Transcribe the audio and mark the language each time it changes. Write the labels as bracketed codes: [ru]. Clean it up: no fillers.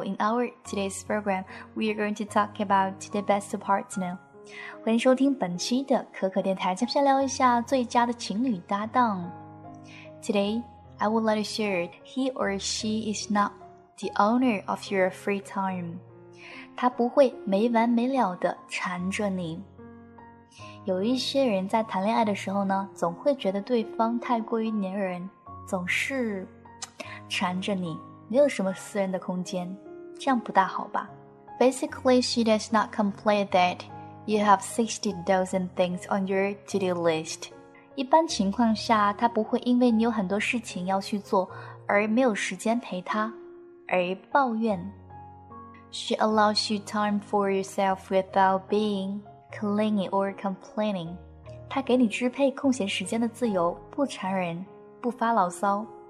[en] In our today's program, we are going to talk about the best partner. [zh] 欢迎收听本期的可可电台，接下来聊一下最佳的情侣搭档。 [en] Today, I would like to share he or she is not the owner of your free time. [zh] 他不会没完没了地缠着你。有一些人在谈恋爱的时候呢，总会觉得对方太过于黏人，总是缠着你，没有什么私人的空间，这样不大好吧。 [en] Basically, she does not complain that you have 60,000 things on your to-do list. [zh] 一般情况下，她不会因为你有很多事情要去做而没有时间陪她而抱怨。 [en] She allows you time for yourself without being clingy or complaining. [zh] 她给你支配空闲时间的自由，不缠人，不发牢骚。